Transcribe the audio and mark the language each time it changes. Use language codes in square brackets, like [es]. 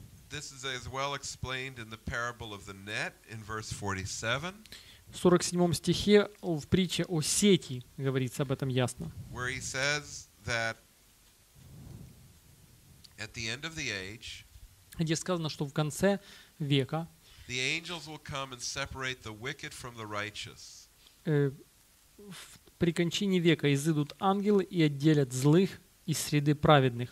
[en] this is as well explained in the parable of the net in verse 47. [ru] В 47 стихе в притче о сети говорится об этом ясно. [en] Where he says that at the end of the age, [ru] где сказано, что в конце века, [en] the angels will come and separate the wicked from the righteous. [ru] При кончине века изыдут ангелы и отделят злых из среды праведных.